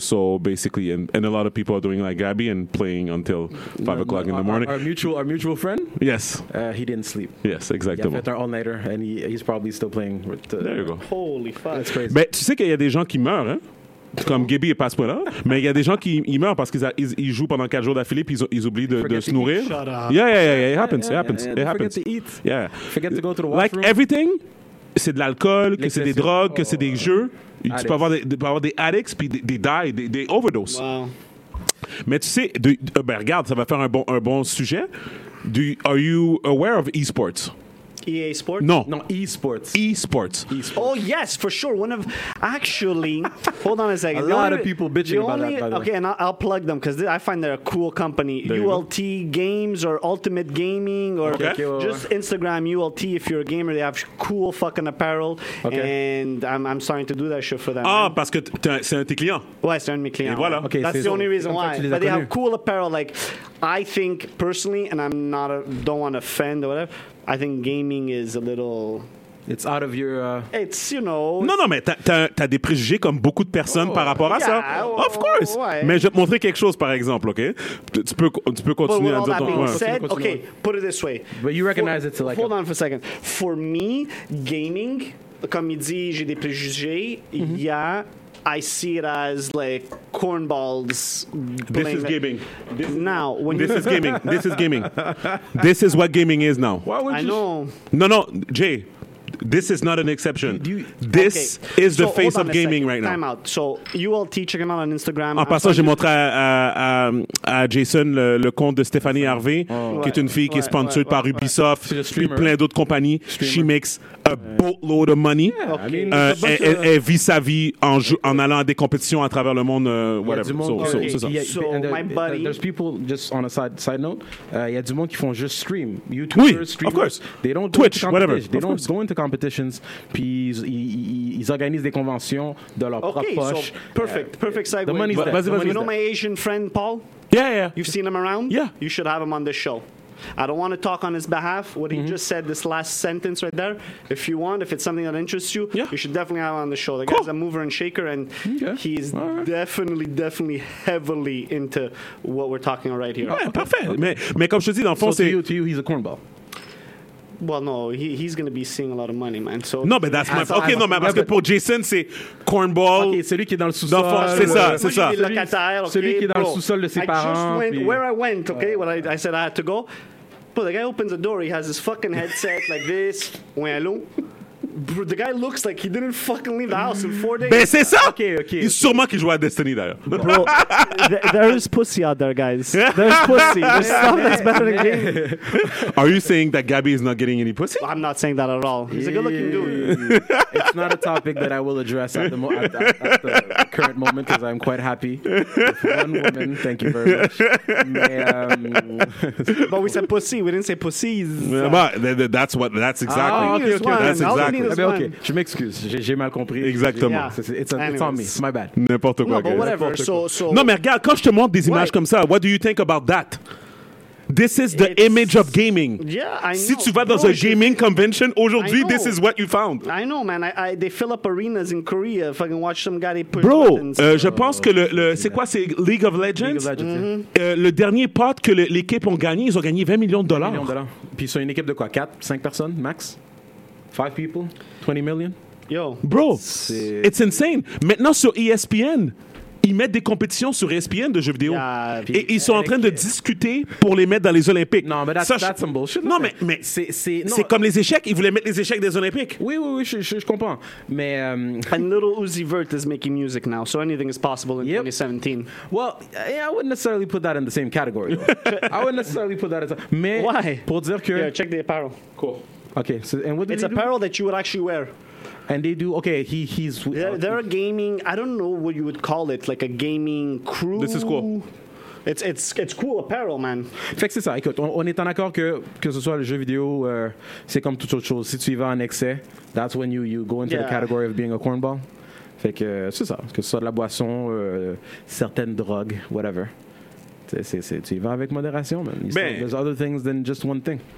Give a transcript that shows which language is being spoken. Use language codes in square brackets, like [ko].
[en] So basically, and a lot of people are doing like Gabby and playing until 5 o'clock in the morning. Our mutual friend? Yes. He didn't sleep. Yes, exactly. Yeah, our all-nighter, and he's probably still playing. There you go. Holy fuck. That's crazy. [fr] Mais tu sais qu'il y a des gens qui meurent, hein? Comme Gabby est pas à ce point-là, mais il y a des gens qui ils meurent parce qu'ils jouent pendant 4 jours d'affilée puis ils oublient de se nourrir. [en] Yeah, it happens. Forget to go to the washroom. Like everything, [fr] c'est de l'alcool, que c'est des drogues, que c'est des jeux. Addicts. Tu peux avoir des addicts puis des die, des overdoses. [en] Wow. [fr] Mais tu sais, ben regarde, ça va faire un bon sujet. [en] Are you aware of esports? EA Sports? No. No, eSports. eSports. Oh, yes, for sure. One of, actually, hold on a second. A lot of people bitching about that, by the way. Okay, and I'll plug them because I find they're a cool company. ULT Games or Ultimate Gaming or just Instagram ULT if you're a gamer. They have cool fucking apparel. Okay. And I'm starting to do that shit for them. [fr] Ah, parce que c'est un de tes clients. Ouais, c'est un de mes clients. Et voilà. [en] Okay, that's the only reason why. But they have cool apparel. Like, I think personally, and I'm not, don't want to offend or whatever, I think gaming is a little... It's out of your... It's, you know... [fr] Non, non, mais t'as des préjugés comme beaucoup de personnes par rapport à ça. [en] Of course. [fr] Ouais. Mais je vais te montrer quelque chose, par exemple, OK? Tu peux continuer à dire ton... [en] Okay, put it this way. But you recognize it's like... Hold on for a second. For me, gaming, [fr] comme il dit, j'ai des préjugés, [en] I see it as like cornballs. This is gaming. This is gaming. This is what gaming is now. Why would I you know? No, no, Jay. This is not an exception. This is the face of gaming right now. Time out. So you all teach him out on Instagram. [fr] En passant, j'ai montré à Jason le compte de Stéphanie Harvey, qui est une fille qui est sponsored par Ubisoft, puis plein d'autres compagnies. [en] She makes a boatload of money. [fr] Elle vit sa vie en allant à des compétitions à travers le monde, whatever. [en] So my buddy. There's people, just on a side note, [fr] il y a du monde qui font juste stream. [en] YouTubers, streamers. Of course. They don't Twitch, whatever. They don't go into competitions, [fr] puis ils organisent des conventions de leur propre poche. [en] So perfect, perfect segue. The money's there. You know my Asian friend, Paul? Yeah. You've seen him around? Yeah. You should have him on this show. I don't want to talk on his behalf. What he just said, this last sentence right there, if you want, if it's something that interests you, you should definitely have him on the show. The guy's a mover and shaker, and he's definitely, definitely heavily into what we're talking about right here. [fr] Yeah, parfait. Mais comme je te dis, dans le fond, [en] c'est... to you, he's a cornball. Well, no, he's going to be seeing a lot of money, man. So no, but that's my... Okay, no, man, [fr] parce que pour Jason, c'est cornball. Okay, celui qui est dans le sous-sol. C'est ça, c'est ça. C'est le locataire, celui qui est dans le sous-sol de ses parents. [en] I just went where I went, okay? When I said I had to go. But the guy opens the door, he has his fucking headset like this. [fr] Oui, allô? [en] Bro, the guy looks like he didn't fucking leave the house in 4 days. [fr] Ben, c'est ça! [en] Okay. [fr] Il sûrement qu'il jouait à Destiny, d'ailleurs. [en] Bro, there is pussy out there, guys. There's pussy. There's stuff that's better than game. Are you saying that Gabby is not getting any pussy? I'm not saying that at all. He's a good-looking dude. It's not a topic that I will address at the current moment, because I'm quite happy with one woman. Thank you very much. But we said pussy. We didn't say pussies. But that's exactly... Oh, okay, okay. That's exactly... [fr] Okay, je m'excuse, j'ai mal compris. Exactement. [en] It's on me, it's my bad. [fr] N'importe quoi. [en] No, but whatever. So, [fr] non, mais regarde, quand je te montre des images comme ça, [en] what do you think about that? This is the image of gaming. Yeah, I know. [fr] Si tu vas dans un gaming convention aujourd'hui, [en] this is what you found. I know, man. They fill up arenas in Korea if I can watch some guy they push Bro, buttons. [fr] Je pense que le c'est quoi, c'est League of Legends? League of Legends, Le dernier pot que l'équipe ont gagné, ils ont gagné 20 millions de dollars. 20 millions de dollars. Puis ils sont une équipe de quoi? 4, 5 personnes, max? [en] 5 people, 20 million. Yo. Bro, it's insane. [fr] Maintenant, sur ESPN, ils mettent des compétitions sur ESPN de jeux vidéo. [en] Yeah, [fr] et ils sont en train de discuter pour les mettre dans les Olympiques. Non, mais [en] that's some bullshit. [fr] Non, mais c'est comme les échecs. Ils voulaient mettre les échecs des Olympiques. Oui, je comprends. Mais... [en] And little Uzi Vert is making music now, so anything is possible in 2017. Well, I wouldn't necessarily put that in the same category. I wouldn't necessarily put that in the same category. Why? [fr] Pour dire que... [en] Yeah, check the apparel. Cool. Okay, so and what do it's they apparel do? That you would actually wear. And they do, okay, he's... They're a gaming, I don't know what you would call it, like a gaming crew. This is cool. It's cool apparel, man. [fr] Fait que c'est ça, écoute, on est en accord que ce soit le jeu vidéo, c'est comme toute autre chose. Si tu y vas en excès, [en] that's when you go into the category of being a cornball. [fr] Fait que c'est ça, que ce soit de la boisson, certaines drogues, whatever. Tu y vas avec modération, man. [en] There's other things than just one thing.